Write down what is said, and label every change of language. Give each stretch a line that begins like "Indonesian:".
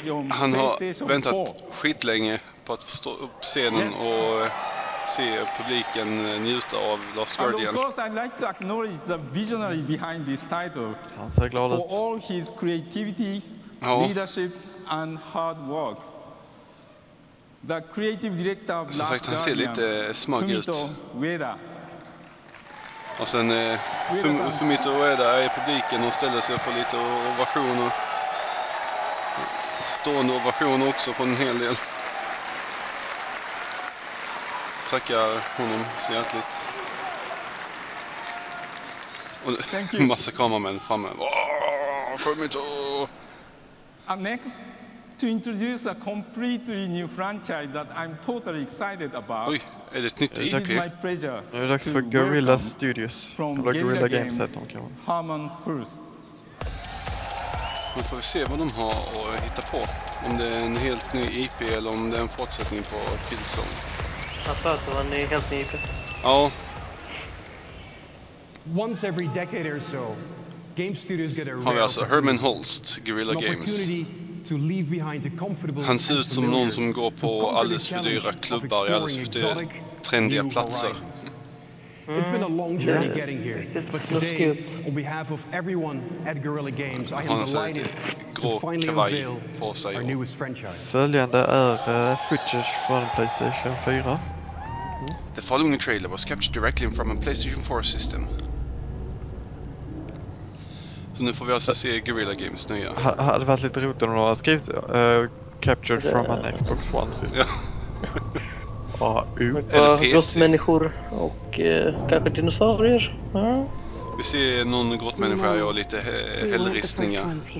Swedish: Han har väntat skitlänge på att stå upp scenen och se publiken njuta av Last Guardian.
English: And of course I'd like to acknowledge the visionary behind this title.
Swedish: Han är så glad
English: for all his creativity, leadership and hard work. The creative director of Last Guardian.
Swedish: Han ser lite smug ut. Ueda. Och sen Fumito Ueda är i publiken och ställer sig för lite ovationer. Stående ovationer också från en hel del. Tackar honom så hjärtligt. Och
English: thank you.
Swedish: Massa kameramän framme. Fumito!
English: I'm next to introduce a completely new franchise that I'm totally excited about.
Swedish: Oj, är det ett nytt IP?
English: It is my pleasure.
Swedish: Nu är det dags för Guerrilla Studios.
English: From Guerrilla Games, Harmon First.
Swedish: Nu får vi se vad de har att hitta på. Om det är en helt ny IP eller om det är en fortsättning på Killzone. Jag tror att det var en helt ny IP. Ja.
English: Once every decade or so, get a rare
Swedish: alltså Herman Holst, Guerrilla Games.
English: To leave behind a comfortable
Swedish: han ser ut som någon som går på alldeles för dyra klubbar i alldeles för dyra trendiga platser.
English: It's been a long journey getting here, but today, on behalf of everyone at Guerrilla Games, I am delighted to finally unveil our newest franchise.
Swedish: Följande är footage från PlayStation 4.
English: The following trailer was captured directly from a PlayStation 4 system.
Swedish: Så nu får vi alltså se Guerrilla Games nya. Hade varit lite roligt om de har skrivit
English: captured from an Xbox One system.
Swedish: AU. Grottmänniskor och kanske dinosaurier. Vi ser någon grottmänniska här, jag har lite hellristningar.